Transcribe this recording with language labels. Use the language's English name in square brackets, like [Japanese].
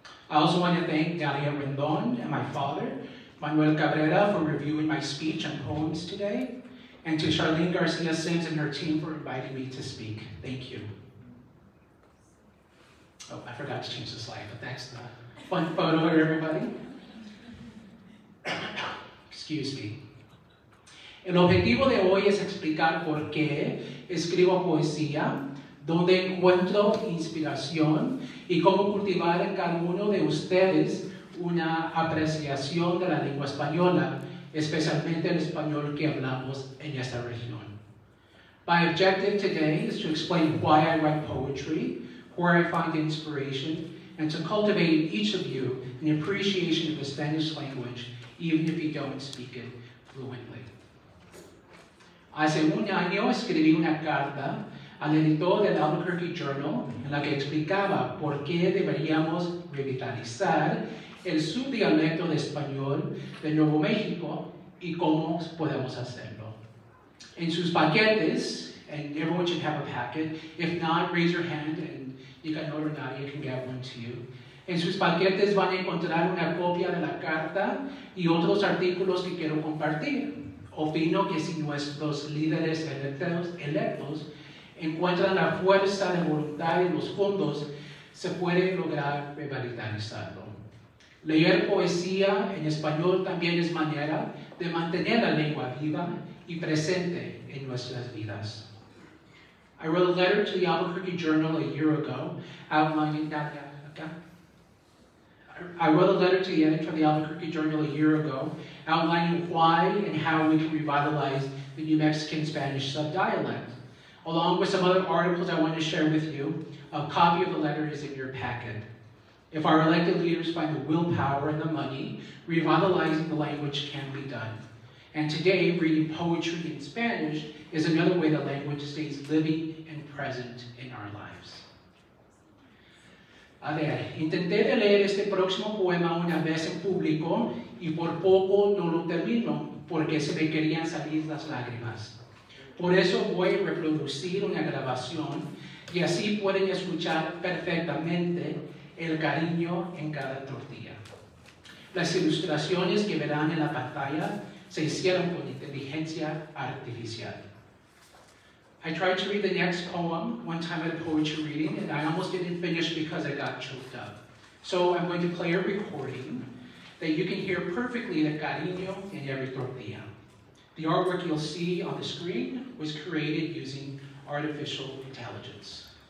[English] I also want to thank Dalia Rendon and my father, Manuel Cabrera, for reviewing my speech and poems today, and to Charlene Garcia Sims and her team for inviting me to speak. Thank you. Oh, I forgot to change the slide, but that's the fun photo, everybody. Excuse me. [Spanish] El objetivo de hoy es explicar por qué escribo poesía, dónde encuentro inspiración y cómo cultivar en cada uno de ustedes una apreciación de la lengua española, especialmente el español que hablamos en esta región. [English] My objective today is to explain why I write poetry, where I find inspiration, and to cultivate in each of you an appreciation of the Spanish language, even if you don't speak it fluently. [Spanish] Hace un año escribí una carta al editor del Albuquerque Journal en la que explicaba por qué deberíamos revitalizar el subdialecto de español de Nuevo México y cómo podemos hacerlo. En sus paquetes, [English] and everyone should have a packet, if not, raise your hand and you can order that, you can get one to you. [Spanish] En sus paquetes van a encontrar una copia de la carta y otros artículos que quiero compartir. Opino que si nuestros líderes electos encuentran la fuerza de voluntad y los fondos, se puede lograr revitalizarlo. Leer poesía en español también es manera de mantener la lengua viva y presente en nuestras vidas. [English] I wrote a letter to the Albuquerque Journal a year ago, outlining why and how we can revitalize the New Mexican Spanish sub-dialect. Along with some other articles I want to share with you, a copy of the letter is in your packet. If our elected leaders find the willpower and the money, revitalizing the language can be done. And today, reading poetry in Spanish is another way the language stays living and present in our lives. [Spanish] A ver, intenté de leer este próximo poema una vez en público y por poco no lo termino porque se me querían salir las lágrimas. Por eso voy a reproducir una grabación y así pueden escuchar perfectamente el cariño en cada tortilla. Las ilustraciones que verán en la pantalla se hicieron con inteligencia artificial. [English] I tried to read the next poem one time at a poetry reading, and I almost didn't finish because I got choked up. So I'm going to play a recording that you can hear perfectly the cariño in every tortilla. The artwork you'll see on the screen was created using artificial intelligence.